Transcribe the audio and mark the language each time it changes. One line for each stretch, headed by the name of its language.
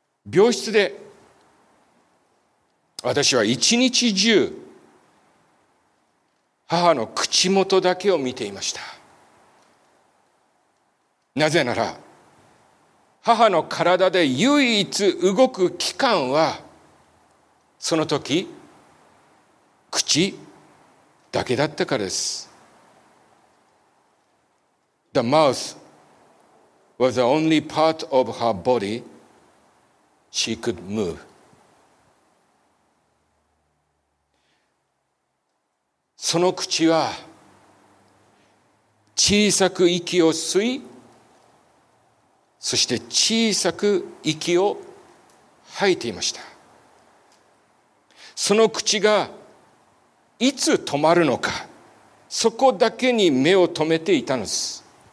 Japanese: 病室で私は一日中母の口元だけを見ていました。なぜなら母の体で唯一動く器官はその時口だけだったからです。
English: The mouth was the only part of her body she could move。
Japanese: その口は小さく息を吸い、そして小さく息を吐いていました。その口がいつ止まるのか、そこだけに目を留めていたのです。